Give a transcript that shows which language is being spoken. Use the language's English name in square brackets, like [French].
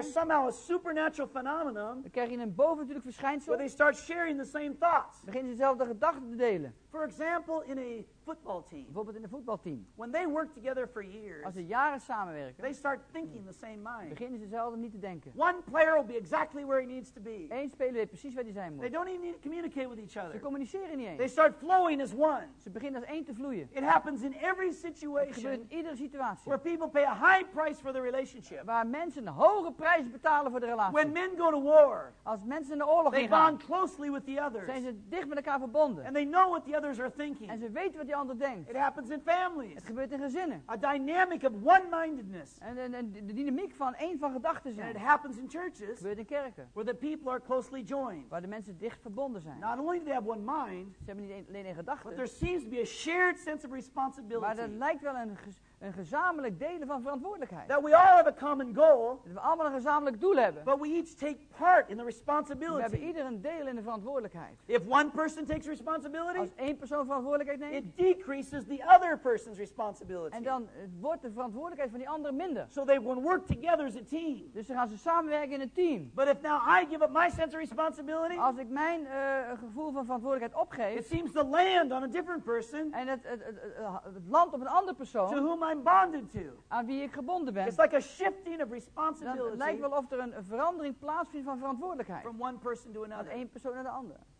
[English] there's somehow a supernatural phenomenon. [Dutch] Dan krijg je een bovennatuurlijk verschijnsel. [English] Where they start sharing the same thoughts. [Dutch] Beginnen ze dezelfde gedachten te delen. [English] For example, in a football team. [Dutch] Bijvoorbeeld in een voetbalteam. [English] When they work together for years, [Dutch] als ze jaren samenwerken, [English] they start thinking the same mind. [Dutch] Beginnen ze dezelfde niet te denken. [English] One player will be exactly where he needs to be. [Dutch] Eén speler weet precies waar hij zijn moet. [English] They don't even need to communicate with each other. [Dutch] Ze communiceren niet eens. [English] They start flowing as one. [Dutch] Ze beginnen als één te vloeien. [English] It happens in every situation. [Dutch] Het gebeurt in iedere situatie. [English] Where people pay a high price for the relationship. [Dutch] Waar mensen een hoge prijs betalen voor de relatie. [English] When men go to war, [Dutch] als mensen in de oorlog [English] they [Dutch] ingaan, [English] bond closely with the others. [Dutch] Zijn ze dicht met elkaar verbonden. [English] And they know what the others are thinking. [Dutch] En ze weten wat die ander denkt. [English] It happens in families. [Dutch] Het gebeurt in gezinnen. [English] A dynamic of one-mindedness. [Dutch] En de dynamiek van één van gedachten zijn. [English] And it happens in church. [Dutch] Gebeurt in kerken. [English] Where the people are closely joined. [Dutch] Waar de mensen dicht verbonden zijn. [English] Not only do they have one mind. [Dutch] Ze hebben niet alleen één gedachte. [English] But there seems to be a shared sense of responsibility. [Dutch] Maar dat lijkt wel een gezamenlijk delen van verantwoordelijkheid. [English] That we all have a common goal. [Dutch] Dat we allemaal een gezamenlijk doel hebben. [English] But we each take part in the responsibility. [Dutch] We hebben ieder een deel in de verantwoordelijkheid. [English] If one person takes responsibility. [Dutch] Als één persoon verantwoordelijkheid neemt. [English] It decreases the other person's responsibility. [Dutch] En dan wordt de verantwoordelijkheid van die ander minder. [English] So they will work together as a team. [Dutch] Dus dan gaan ze samenwerken in een team. [English] But if now I give up my sense of responsibility. [Dutch] Als ik mijn gevoel van verantwoordelijkheid opgeef. [English] It seems to land on a different person. [Dutch] En het landt op een andere persoon. [English] To whom I'm bonded to. [Dutch] Aan wie ik gebonden ben. [English] It's like a shifting of responsibility. [Dutch] Dan lijkt wel of er een verandering plaatsvindt van verantwoordelijkheid. [English] From one person to another. [Dutch] Van één persoon naar de ander.